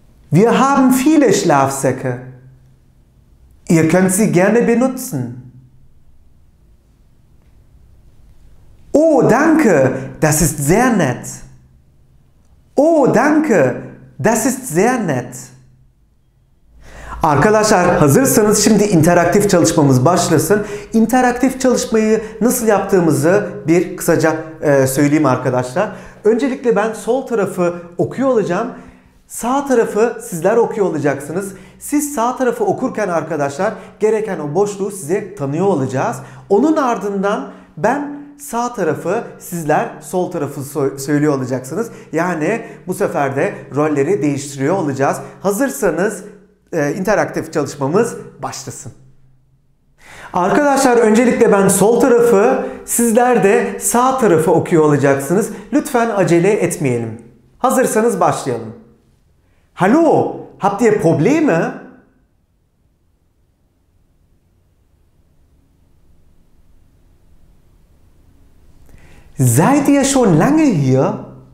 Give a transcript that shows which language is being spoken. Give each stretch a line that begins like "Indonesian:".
German: Wir haben viele Schlafsäcke. Ihr könnt sie gerne benutzen. Oh, danke, das ist sehr nett. Oh, danke, das ist sehr nett.
Turkish: Arkadaşlar hazırsanız şimdi interaktif çalışmamız başlasın. İnteraktif çalışmayı nasıl yaptığımızı bir kısaca söyleyeyim arkadaşlar. Öncelikle ben sol tarafı okuyor olacağım. Sağ tarafı sizler okuyor olacaksınız. Siz sağ tarafı okurken arkadaşlar gereken o boşluğu size tanıyor olacağız. Onun ardından ben sağ tarafı, sizler sol tarafı söylüyor olacaksınız. Yani bu sefer de rolleri değiştiriyor olacağız. Hazırsanız interaktif çalışmamız başlasın. Arkadaşlar öncelikle ben sol tarafı, sizler de sağ tarafı okuyor olacaksınız. Lütfen acele etmeyelim. Hazırsanız başlayalım.
German: Hallo, habt ihr Probleme? Seid ihr schon lange hier?